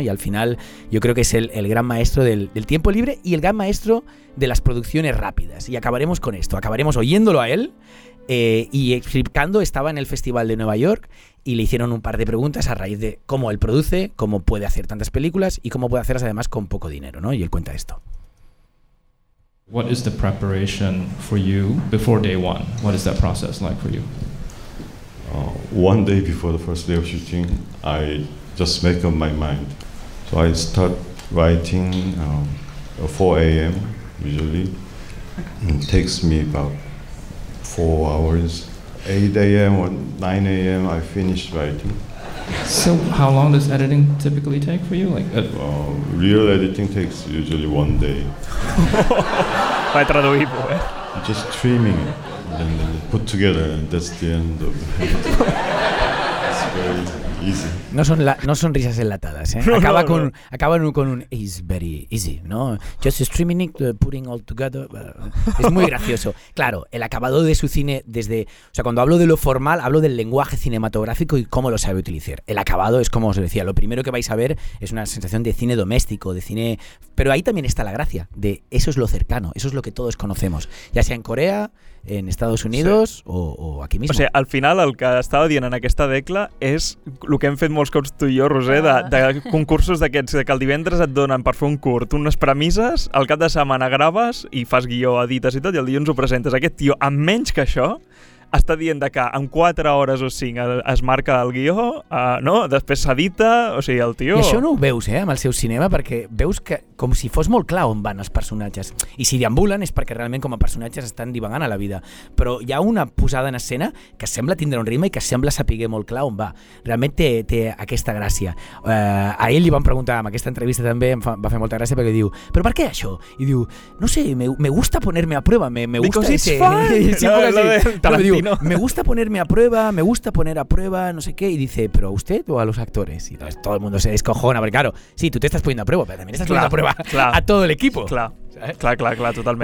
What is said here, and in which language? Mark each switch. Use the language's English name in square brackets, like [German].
[Spanish] Y al final yo creo que es el gran maestro del tiempo libre y el gran maestro de las producciones rápidas. Y acabaremos con esto, acabaremos oyéndolo a él y explicando. Estaba en el Festival de Nueva York y le hicieron un par de preguntas a raíz de cómo él produce, cómo puede hacer tantas películas y cómo puede hacerlas además con poco dinero, ¿no? Y él cuenta esto. [English] What is the preparation for you before day one? What is that process like for you? One day before the first day of shooting, I just make up my mind. So I start writing at 4 a.m. usually. It takes me about 4 hours. 8 a.m. or 9 a.m. I finish writing. So how long does editing typically take for you? Like Real editing takes usually one day. [Spanish] Va traduido. [English] Just trimming it. And then put together, and that's the end of it. It's very easy. [Spanish] No son risas enlatadas, ¿eh? Acaba con un [English] it's very easy, [Spanish] ¿no? [English] Just streaming it, putting all together. [Spanish] Es muy gracioso. Claro, el acabado de su cine desde... O sea, cuando hablo de lo formal, hablo del lenguaje cinematográfico y cómo lo sabe utilizar. El acabado es como os decía. Lo primero que vais a ver es una sensación de cine doméstico, de cine... Pero ahí también está la gracia de eso es lo cercano, eso es lo que todos conocemos. Ya sea en Corea, en Estados Unidos sí. o aquí mismo. O sea, [Catalan] al final el que estava dient en aquesta decla és el que hem fet molts cops tu i jo, Roser, de concursos d'aquests, que el divendres et donen per fer un curt unes premisses, el cap de setmana graves i fas guió, edites i tot, i el dilluns ho presentes. Aquest tio, amb menys que això, està dient que en 4 hores o 5 es marca el guió, no? Després s'edita, o sigui, el tio... I això no ho veus, amb el seu cinema, perquè veus que com si fos molt clar on van els personatges. I si deambulen és perquè realment com a personatges estan divagant a la vida. Però hi ha una posada en escena que sembla tindre un ritme i que sembla saber molt clar on va. Realment té aquesta gràcia. A ell li van preguntar, en aquesta entrevista també em va fer molta gràcia, perquè diu, però per què això? I diu, [Spanish] no sé, me gusta ponerme a prueba, me gusta... [English] Because it's fun! [Spanish] Sí, no, me gusta ponerme a prueba, me gusta poner a prueba, no sé qué. Y dice, ¿pero a usted o a los actores? Y entonces todo el mundo se descojona, porque claro, sí, tú te estás poniendo a prueba, pero también estás poniendo a prueba a todo el equipo. Claro, totalmente.